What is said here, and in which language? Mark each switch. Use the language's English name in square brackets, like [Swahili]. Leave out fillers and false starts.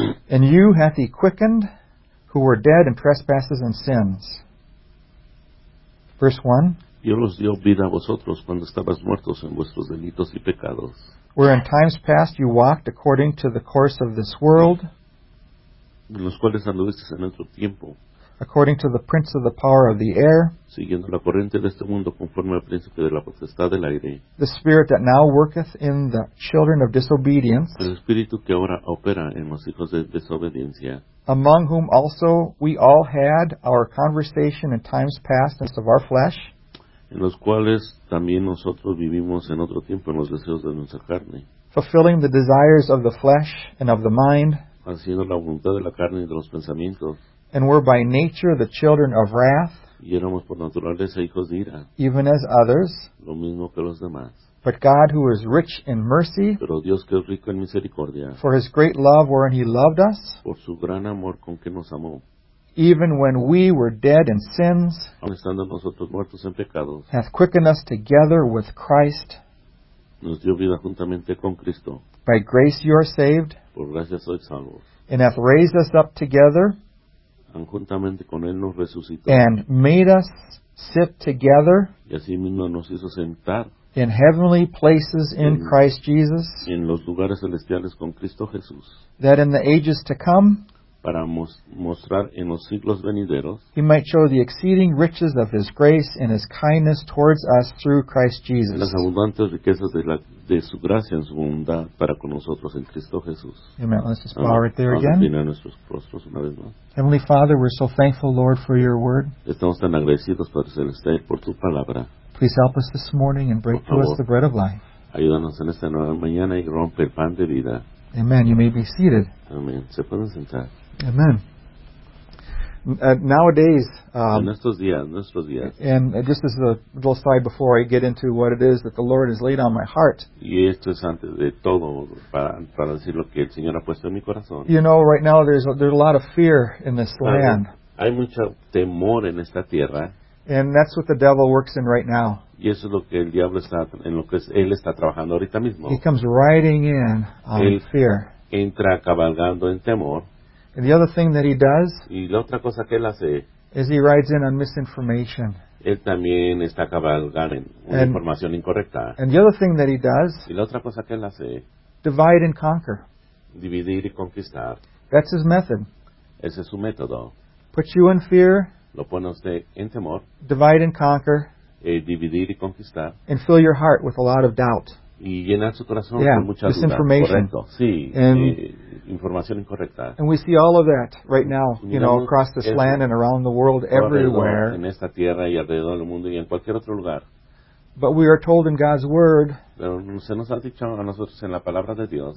[English] And you hath he quickened, who were dead in trespasses and sins. Verse 1. [Spanish] Dios los dio vida a vosotros cuando estabas muertos en vuestros delitos y pecados. [English] Where in times past you walked according to the course of this world. [Spanish] En los cuales anduvisteis en otro tiempo. [English] According to the prince of the power of the air. [Spanish] Siguiendo la corriente de este mundo conforme al príncipe de la potestad del aire. [English] The spirit that now worketh in the children of disobedience. [Spanish] El espíritu que ahora opera en los hijos de desobediencia. [English] Among whom also we all had our conversation in times past as of our flesh. [Spanish] En los cuales también nosotros vivimos en otro tiempo en los deseos de nuestra carne. [English] Fulfilling the desires of the flesh and of the mind. [Spanish] Haciendo la voluntad de la carne y de los pensamientos. [English] And were by nature the children of wrath, [Spanish] y éramos por naturaleza hijos de ira, [English] even as others, [Spanish] lo mismo que los demás. [English] But God, who is rich in mercy, [Spanish] pero Dios que es rico en misericordia, [English] for his great love wherein he loved us, [Spanish] por su gran amor con que nos amó, [English] even when we were dead in sins, [Spanish] aun estando nosotros muertos en pecados, [English] hath quickened us together with Christ, [Spanish] nos dio vida juntamente con Cristo, [English] by grace you are saved, [Spanish] por gracia sois salvos, [English] and hath raised us up together, [Spanish] juntamente con él nos resucitó, [English] and made us sit together, [Spanish] y así mismo nos hizo sentar, [English] in heavenly places in Christ Jesus, [Spanish] en los lugares celestiales con Cristo Jesús, [English] that in the ages to come, [Spanish] para mostrar en los siglos venideros, [English] he might show the exceeding riches of his grace and his kindness towards us through Christ Jesus, [Spanish] las abundantes riquezas de su gracia en su bondad para con nosotros en Cristo Jesús. [English] Amen. Let's just bow right there again. [Spanish] Vamos a inclinar nuestros rostros una vez más. [English] Heavenly Father, we're so thankful, Lord, for your word. [Spanish] Estamos tan agradecidos, Padre Celestial, por tu palabra. [English] Please help us this morning and break to us the bread of life. [Spanish] Ayúdanos en esta nueva mañana y rompe el pan de vida. [English] Amen. You may be seated. [Spanish] Amen. Se pueden sentar. [English] Amen. Nowadays, [Spanish] en estos días, [English] and just as a little side before I get into what it is that the Lord has laid on my heart, [Spanish] y esto es antes de todo para decir lo que el Señor ha puesto en mi corazón. [English] You know, right now there's a lot of fear in this land. [Spanish] Hay mucho temor en esta tierra. [English] And that's what the devil works in right now. [Spanish] Y eso es lo que el diablo está en lo que es, él está trabajando ahorita mismo. [English] He comes riding in on [Spanish] él [English] fear. [Spanish] Entra cabalgando en temor. [English] And the other thing that he does, [Spanish] y la otra cosa que él hace, [English] is he rides in on misinformation. [Spanish] Él también está cabalgando en una información incorrecta. [English] And the other thing that he does, [Spanish] y la otra cosa que él hace, [English] divide and conquer. [Spanish] Dividir y conquistar. [English] That's his method. [Spanish] Ese es su método. [English] Put you in fear. [Spanish] Lo pone usted en temor. [English] Divide and conquer. [Spanish] Dividir y conquistar. [English] And fill your heart with a lot of doubt. [Spanish] Y llenar su corazón con mucha duda. [English] Misinformation. [Spanish] Correcto. Sí. [English] And, [Spanish] información incorrecta. [English] And we see all of that right now, you know, across this land and around the world, everywhere. [Spanish] En esta tierra y alrededor del mundo y en cualquier otro lugar. [English] But we are told in God's word, [Spanish] pero se nos ha dicho a nosotros en la palabra de Dios,